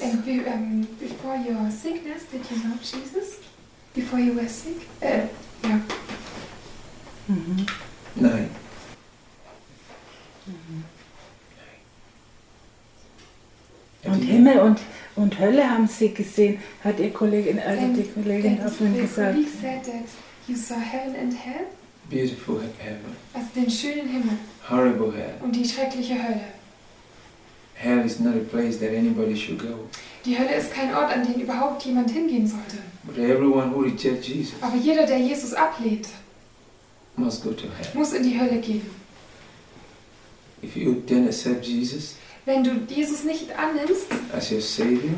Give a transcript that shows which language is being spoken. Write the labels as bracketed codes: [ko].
[en] Before your sickness, did you know Jesus? Before you were sick? [de] Ja. Mm-hmm. Nein. Mm-hmm. Und Himmel und Hölle haben sie gesehen, hat ihr Kollegin, also die Kollegin auf ihn gesagt. [en] Then he said that you saw heaven and hell. Beautiful heaven. [de] Also den schönen Himmel. [en] Horrible hell. [de] Und die schreckliche Hölle. [en] Hell is not a place that anybody should go. [de] Die Hölle ist kein Ort, an den überhaupt jemand hingehen sollte. [en] But everyone who rejects Jesus. [de] Aber jeder, der Jesus ablehnt, [en] must go to hell. [de] Muss in die Hölle gehen. [en] If you then accept Jesus. [de] Wenn du Jesus nicht annimmst, [en] as your savior,